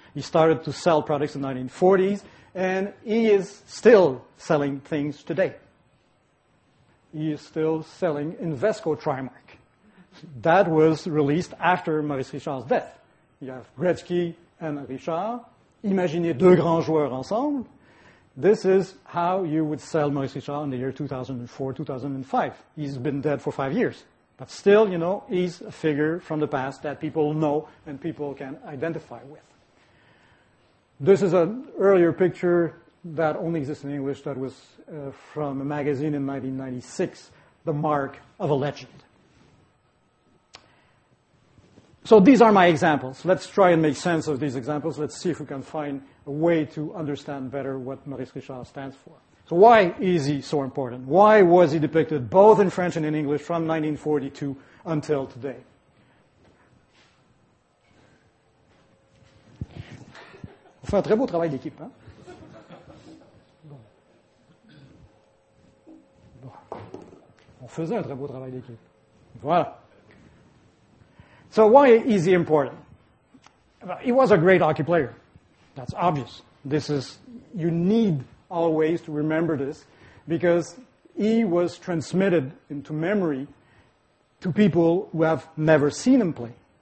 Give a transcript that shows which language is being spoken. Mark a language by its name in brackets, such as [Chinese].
[English] He started to sell products in the 1940s, and he is still selling things today. He is still selling Invesco Trimark. That was released after Maurice Richard's death. You have Gretzky and Richard. [French] Imaginez deux grands joueurs ensemble. [English] This is how you would sell Maurice Richard in the year 2004, 2005. He's been dead for 5 years. But still, you know, he's a figure from the past that people know and people can identify with. This is an earlier picture that only exists in English that was from a magazine in 1996, The Mark of a Legend. So these are my examples. Let's try and make sense of these examples. Let's see if we can find a way to understand better what Maurice Richard stands for. So why is he so important? Why was he depicted both in French and in English from 1942 until today? [French] On fait un très beau travail d'équipe, hein? Bon. Bon. On faisait un très beau travail d'équipe. Voilà. [English] So why is he important? He was a great hockey player. That's obvious. This is, you need always to remember this because he was transmitted into memory to people who have never seen him play.